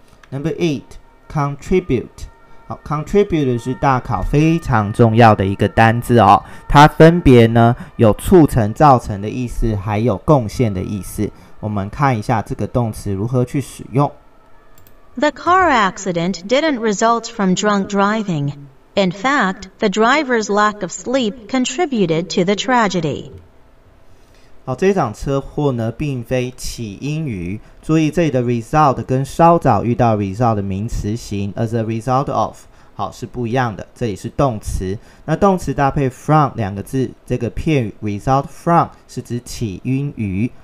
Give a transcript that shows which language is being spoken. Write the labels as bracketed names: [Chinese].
[English] Number eight, contribute。 [Chinese] 好 ，contribute 是大考非常重要的一个单字哦，它分别呢有促成、造成的意思，还有贡献的意思。我们看一下这个动词如何去使用。 [English] The car accident didn't result from drunk driving. In fact, the driver's lack of sleep contributed to the tragedy. [Chinese] 好，这场车祸呢，并非起因于。注意这里的 result 跟稍早遇到 result 的名词型 [English] as a result of， [Chinese] 好，是不一样的。这里是动词，那动词搭配 from 两个字，这个片语 [English] result from [Chinese] 是指起因于。